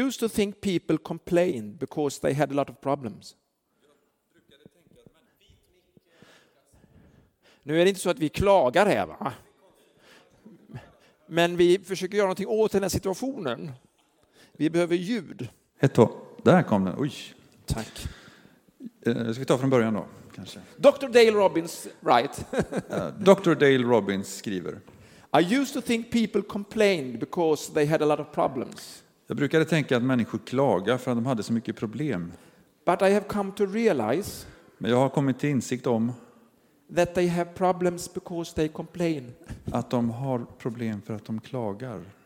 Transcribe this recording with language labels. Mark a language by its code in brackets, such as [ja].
[en] I used to think people complained because they had a lot of problems. [sv] Jag brukade tänka att man bit mycket. Nu är det inte så att vi klagar här, va? Men vi försöker göra någonting åt den här situationen. Vi behöver ljud. Ett, två. Där kom den. Oj. Tack. Ska vi ta från början då? [en] Dr. Dale Robbins, right? [sv] Dr. Dale Robbins skriver. [en] I used to think people complained because they had a lot of problems. [sv] Jag brukade tänka att människor klaga för att de hade så mycket problem. [en] But I have come to realize. [sv] Men jag har kommit till insikt om [en] that they have problems because they complain. [sv] Att de har problem för att de klagar.